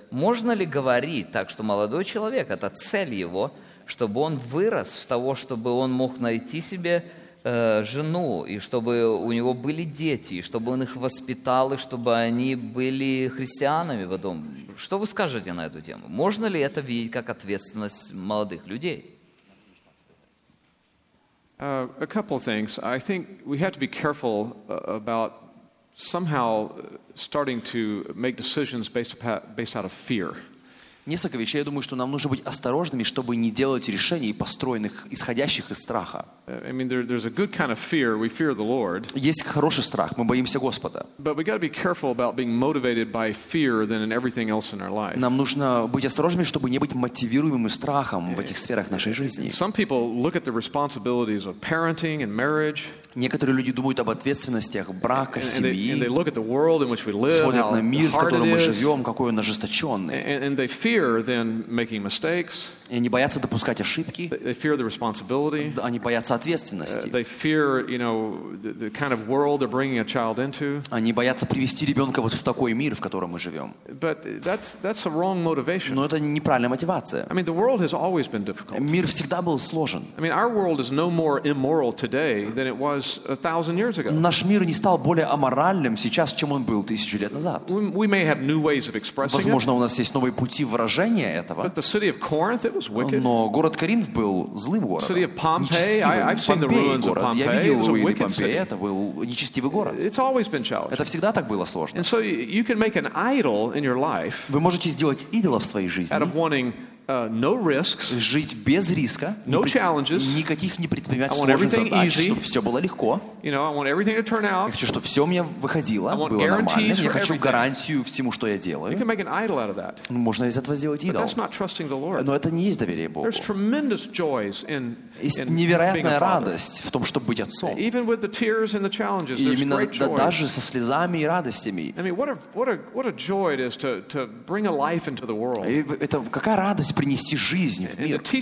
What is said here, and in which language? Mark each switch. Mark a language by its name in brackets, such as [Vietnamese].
[Russian] можно ли говорить так, что молодой человек, это цель его, чтобы он вырос в того, чтобы он мог найти себе жену, и чтобы у него были дети, и чтобы он их воспитал, и чтобы они были христианами потом? Что вы скажете на эту тему? Можно ли это видеть как ответственность молодых людей? [English] A couple of things. I think we have to be careful about somehow starting to make decisions based out of fear. [Russian] Несколько вещей. Я думаю, что нам нужно быть осторожными, чтобы не делать решений, построенных, исходящих из страха. [English] I mean, there's a good kind of fear. We fear the Lord. [Russian] Есть хороший страх. Мы боимся Господа. [English] But we got to be careful about being motivated by fear than in everything else in our life. [Russian] Нам нужно быть осторожными, чтобы не быть мотивируемыми страхом в этих сферах нашей жизни. [English] Some people look at the responsibilities of parenting and marriage. [Russian] Некоторые люди думают об ответственностях брака, семьи. [English] And they look at the world in which we live, [Russian] смотрят на мир, [English] how hard [Russian] в котором мы живем, какой он ожесточенный. [English] And they fear then making mistakes. [Russian] И они боятся допускать ошибки. [English] They fear the responsibility. [Russian] Они боятся ответственности. [English] They fear, you know, the kind of world they're bringing a child into. [Russian] Они боятся привести ребенка вот в такой мир, в котором мы живем. [English] But that's a wrong motivation. [Russian] Но это неправильная мотивация. [English] I mean, the world has always been difficult. [Russian] Мир всегда был сложен. [English] I mean, our world is no more immoral today than it was 1,000 years ago. [Russian] Наш мир не стал более аморальным сейчас, чем он был 1,000 лет назад. [English] We may have new ways of expressing it. [Russian] Возможно, у нас есть новые пути выражения этого. [English] But the city of Corinth, it was wicked. [Russian] Но город Коринф был злым городом. [English] City of Pompeii, I've seen the ruins of Pompeii. [Russian] Я видел руины Помпеи. Это был нечестивый город. [English] It's always been challenging. [Russian] Это всегда так было сложно. [English] And so you can make an idol in your life. [Russian] Вы можете сделать идола в своей жизни. [English] Out of wanting no risks. [Russian] Жить без риска. [English] No challenges. [Russian] Никаких не предпринимать сложных задач, чтобы все было легко. [English] You know, I want everything to turn out. [Russian] Я хочу, чтобы все у меня выходило, было нормально. Я хочу гарантию всему, что я делаю. [English] You can make an idol out of that. [Russian] Можно из этого сделать идол. [English] But that's not trusting the Lord. [Russian] Но это не есть доверие Богу. [English] There's tremendous joys in [Russian] Есть невероятная радость в том, чтобы быть отцом. [English] Even with the tears and the challenges, [Russian] и именно даже со слезами и радостями. [English] I mean, what a joy it is to bring a life into the world. [Russian] Это какая радость принести жизнь в мир.